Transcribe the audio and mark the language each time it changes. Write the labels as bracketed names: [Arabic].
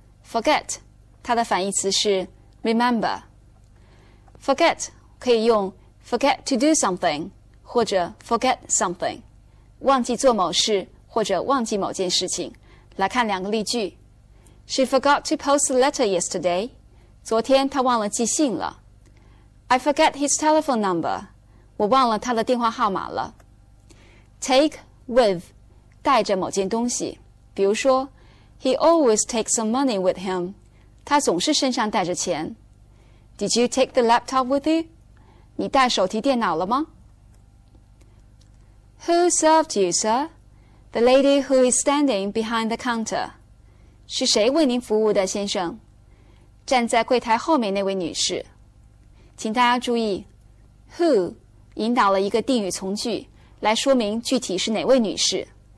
[Chinese] Forget, 它的反义词是 remember. Forget 可以用 [English] forget to do something [Chinese] 或者 [English] forget something, [Chinese] 忘记做某事或者忘记某件事情。来看两个例句。 [English] She forgot to post the letter yesterday. [Chinese] 昨天她忘了寄信了。 [English] I forget his telephone number. [Chinese] 我忘了他的电话号码了。 Take with, 带着某件东西。比如说 [English] ,He always takes some money with him. [Chinese] 他总是身上带着钱。 [English] Did you take the laptop with you? [Chinese] 你带手提电脑了吗 ? [English] Who served you, sir? The lady who is standing behind the counter. [Chinese] 是谁为您服务的先生站在柜台后面那位女士。请大家注意 ,Who,引导了一个定语从句来说明具体是哪位女士。